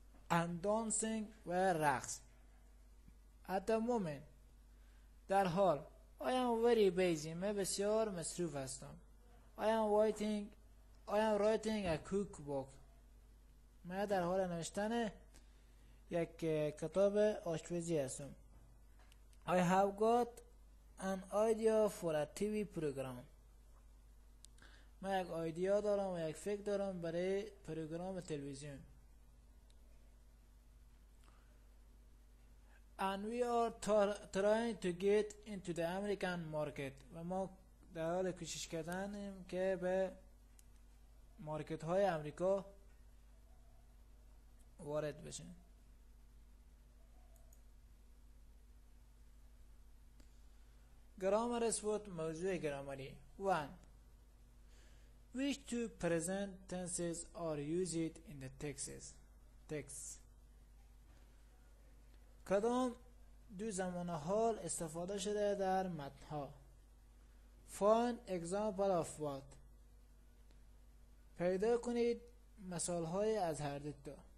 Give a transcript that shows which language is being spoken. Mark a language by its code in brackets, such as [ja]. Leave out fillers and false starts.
[en] and dancing [fa] و رقص [en] at the moment [fa] در حال [en] I am very busy [fa] من بسیار مصروف هستم [en] I am writing a cookbook [fa] من در حال نوشتن یک کتاب آشپزی هستم. [en] I have got an idea for a TV program. [fa] من یک آیدیا دارم و یک فکر دارم برای پروگرام تلویزیون. [en] And we are trying to get into the American market. [fa] و ما در حال کوشش کردنیم که به مارکت های امریکا وارد بشیم. [en] Grammar is what [fa] موضوع گرامری [en] 1. Which two present tenses are used in the text? [fa] کدام دو زمان حال استفاده شده در متنها؟ [en] Find example of what. [fa] پیدا کنید مثال های از هر دو.